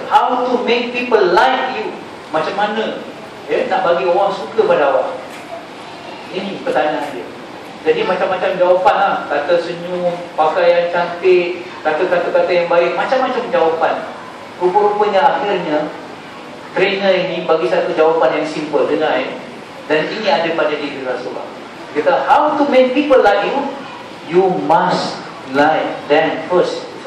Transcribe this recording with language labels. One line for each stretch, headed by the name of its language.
English: How to make people like you?
Malay: Macam mana nak bagi orang suka pada awak? Ini pertanyaan dia. Jadi macam-macam jawapan lah, kata senyum, pakaian cantik, kata-kata-kata yang baik, macam-macam jawapan. Rupa-rupanya akhirnya trainer ini bagi satu jawapan yang simple, dengar ya. Dan ini ada pada diri Rasulullah. Dia kata,
English: how to make people like you? You must like them first.